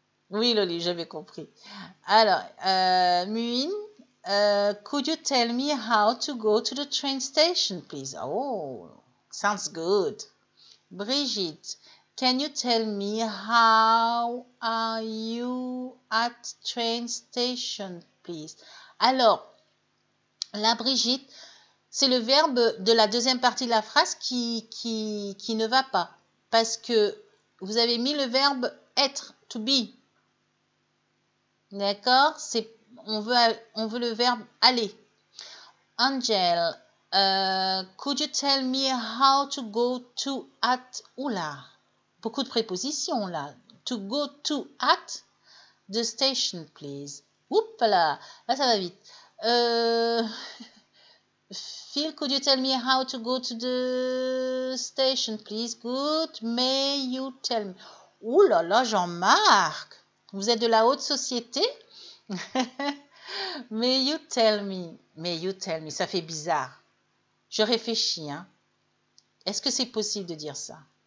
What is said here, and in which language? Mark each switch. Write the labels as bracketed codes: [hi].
[fr] Oui, Loli, j'avais compris. Alors, [en] Muin, could you tell me how to go to the train station, please? Oh, sounds good. Brigitte, can you tell me how are you at train station, please? [fr] Alors, la Brigitte, c'est le verbe de la deuxième partie de la phrase qui ne va pas. Parce que vous avez mis le verbe être, [en] to be. [fr] D'accord, c'est on veut le verbe aller. [en] Angel, could you tell me how to go to at? [fr] Oula, beaucoup de prépositions là. [en] To go to at the station, please. [fr] Oups là, là ça va vite. [en] Phil, could you tell me how to go to the station, please? Good. May you tell me? [fr] Oula là, Jean-Marc, vous êtes de la haute société. [en] May you tell me? May you tell me? [fr] Ça fait bizarre. Je réfléchis, hein. Est-ce que c'est possible de dire ça?